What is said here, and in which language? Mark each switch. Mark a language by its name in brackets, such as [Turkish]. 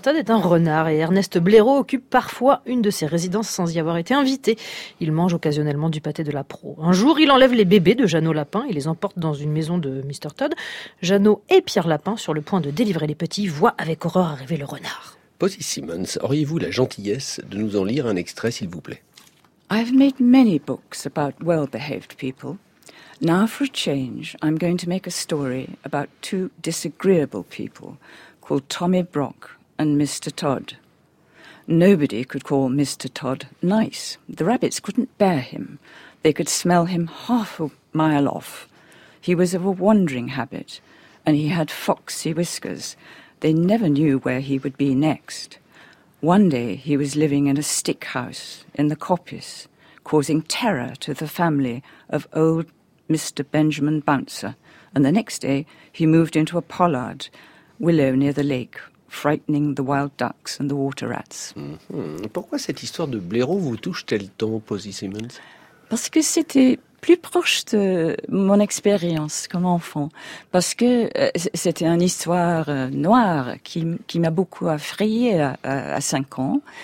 [French] Todd est un renard et Ernest Blaireau occupe parfois une de ses résidences sans y avoir été invité. Il mange occasionnellement du pâté de la proue. Un jour, il enlève les bébés de Jeannot Lapin et les emporte dans une maison de Mr. Todd. Jeannot et Pierre Lapin, sur le point de délivrer les petits, voient avec horreur arriver le renard. Posy Simmons, auriez-vous la gentillesse de nous en lire un extrait, s'il vous plaît? [English] I've made many books about well-behaved people. Now, for a change, I'm going to make a story about two disagreeable people called Tommy Brock and Mr. Todd. Nobody could call Mr. Todd nice. The rabbits couldn't bear him. They could smell him half a mile off. He was of a wandering habit, and he had foxy whiskers. They never knew where he would be next. One day he was living in a stick house in the coppice, causing terror to the family of old Mr. Benjamin Bouncer. And the next day he moved into a pollard willow near the lake, frightening the wild ducks and the water rats. Mm-hmm. [French] Pourquoi cette histoire de Blaireau vous touche-t-elle tant, Posy Simmons? Parce que c'était plus proche de mon expérience comme enfant, parce que c'était une histoire noire qui m'a beaucoup effrayée à 5 ans.